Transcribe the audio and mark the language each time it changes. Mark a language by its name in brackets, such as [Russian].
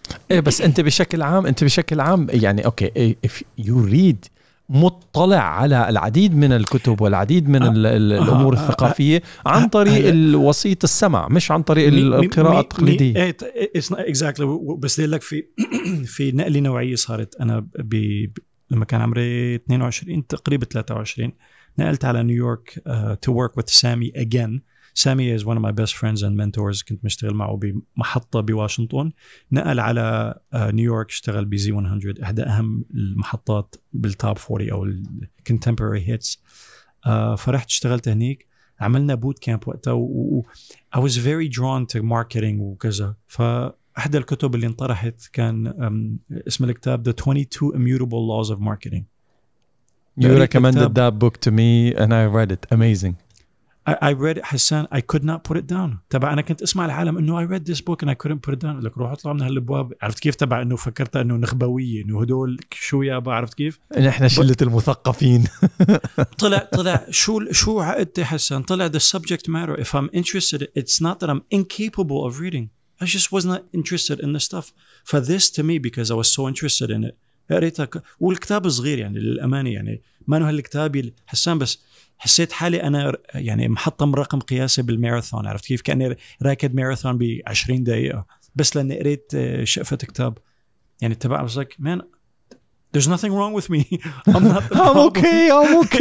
[Arabic] إيه بس أنت بشكل عام، أنت بشكل عام يعني أوكي [English] if you read [Arabic] مطلع على العديد من الكتب والعديد من الأمور الثقافية عن طريق الوسيط السمع مش عن طريق القراءة التقليدية. [English] Exactly. [Arabic] بس دي لك في نقلة نوعية صارت. أنا لما كان عمري 22 تقريبا 23 نقلت على نيويورك [English] to work with Sammy again. Sammy is one of my best friends and mentors. [Arabic] كنت مشتغل معه بمحطة بواشنطن. نقل على نيويورك اشتغل بزي 100 احدى اهم المحطات بالتوب 40 او الكونتمبرري هيتس. فرحت اشتغلت هنيك. عملنا بوت كامب وقتها [English] I was very drawn to marketing [Arabic] وكذا. فأحد الكتب اللي انطرحت كان اسم الكتاب The 22 Immutable Laws of Marketing. [English] You recommended that book to me and I read it. Amazing. I read it, حسان. I could not put it down. [Arabic] تبع أنا كنت أسمع العالم إنه [English] I read this book and I couldn't put it down. [Arabic] لك روح أطلع من هالبواب. عرفت كيف؟ تبع إنه فكرت إنه نخبوية إنه هدول شو يا أبا، عرفت كيف؟ إحنا شلة المثقفين. طلع شو عقدتي حسان؟ طلع [English] the subject matter. If I'm interested, it's not that I'm incapable of reading. I just was not interested in the stuff. For this to me, because I was so interested in it. [Arabic] قريتها والكتاب صغير يعني للأمانة، يعني ما إنه هالكتاب حسان، بس حسيت حالي أنا يعني محطم رقم قياسي بالماراثون، عرفت كيف؟ كأني راكد ماراثون بعشرين دقيقة بس لأن قريت شقفة كتاب. يعني تبع بصدق [English] man there's nothing wrong with me I'm okay